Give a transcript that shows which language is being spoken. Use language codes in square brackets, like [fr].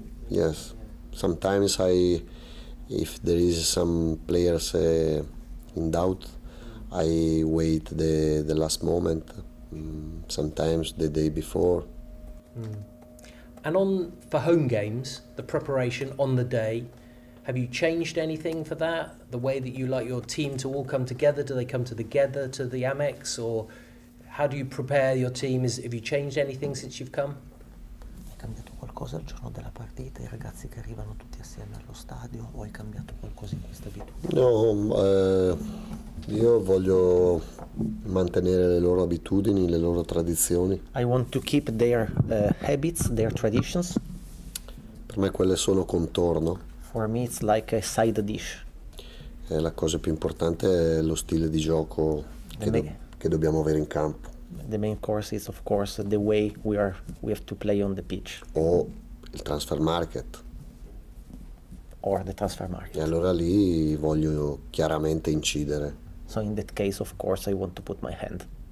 [en] Yes, sometimes if there is some players in doubt, I wait the last moment, sometimes the day before. Mm. And for home games, the preparation on the day, have you changed anything for that? The way that you like your team to all come together, do they come together to the Amex, or how do you prepare your team? Have you changed anything since you've come? [it] Cosa il giorno della partita, i ragazzi che arrivano tutti assieme allo stadio, o hai cambiato qualcosa in questa abitudine? No, io voglio mantenere le loro abitudini, le loro tradizioni. [en] I want to keep their habits, their traditions. [it] Per me quelle sono contorno. [en] For me it's like a side dish. [it] La cosa più importante è lo stile di gioco che dobbiamo avere in campo. [en] The main course is, of course, the way we have to play on the pitch. [it] O il transfer market. [en] Or the transfer market. [it] E allora lì voglio chiaramente incidere. [en] So in that case, of course, I want to put my hand.